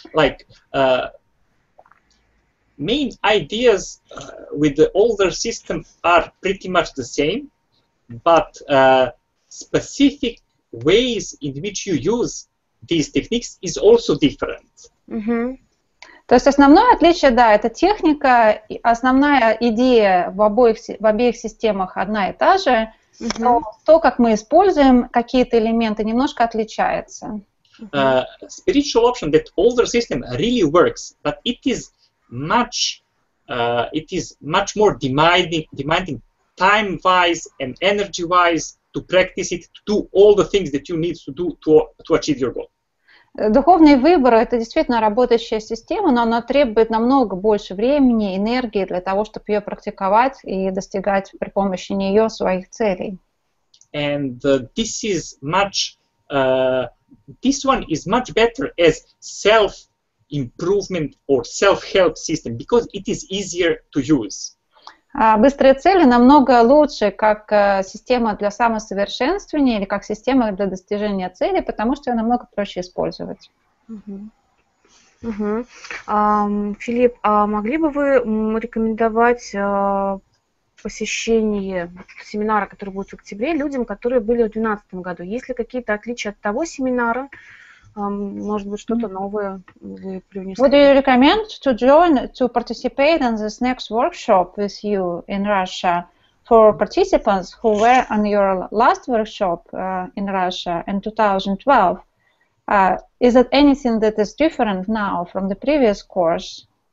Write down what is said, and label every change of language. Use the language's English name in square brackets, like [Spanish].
[English] Like main ideas with the older system are pretty much the same, but specific ways in which you use these techniques is also different. [Russian] То есть основное отличие, да, это техника, основная идея в обеих системах одна и та же, но то, как мы используем какие-то элементы, немножко отличается. [English] Spiritual option, that older system really works, but it is much more demanding time-wise and energy-wise to practice it, to do all the things that you need to do to achieve your goal. [Russian] Духовный выбор — это действительно работающая система, но она требует намного больше времени, энергии для того, чтобы ее практиковать и достигать при помощи нее своих целей. [English] And this is much... This one is much better as self improvement or self-help system because it is easier to use. [Russian] Быстрые цели намного лучше как система для самосовершенствования или как система для достижения цели, потому что ее намного проще использовать. Филипп, а могли бы вы рекомендовать посещение семинара, который будет в октябре, людям, которые были в 2012 году? Есть ли какие-то отличия от того семинара? Может быть, что-то новое вы привнесли? [English] Would you recommend to join, to participate in this next workshop with you in Russia for participants who were on your last workshop in Russia in 2012? Is it anything that is different now from the previous course?